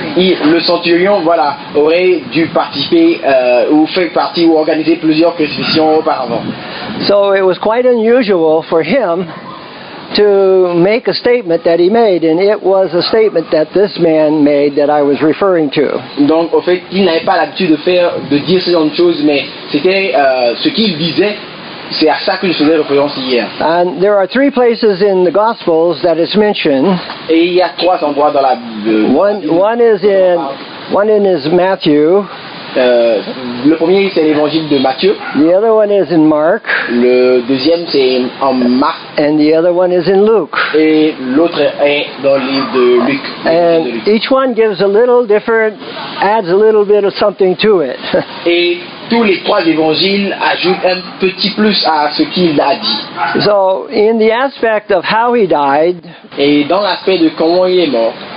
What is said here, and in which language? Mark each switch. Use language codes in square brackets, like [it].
[fr] Et le centurion, voilà, aurait dû participer ou fait partie ou organiser plusieurs crucifixions auparavant. [en] So it was quite unusual for him to make a statement that he made, and it was a statement that this man made that I was referring to. [fr] Donc, au fait, il n'avait pas l'habitude de dire ce genre de choses, mais c'était ce qu'il disait. C'est à ça que je faisais référence hier. [en] And there are three places in the Gospels that it's mentioned. [fr] Et il y a trois endroits dans la [en] One is Matthew. [fr] Le premier c'est l'évangile de Matthieu. [en] The other one is in Mark. [fr] Le deuxième c'est en Marc. [en] And the other one is in Luke. [fr] Et l'autre est dans le livre de Luc. [en] And each one gives a little different, adds a little bit of something to it. [fr] Et tous les trois évangiles ajoutent un petit plus à ce qu'il a dit. [en] So in the aspect of how he died. [fr] Et dans l'aspect de comment il est mort.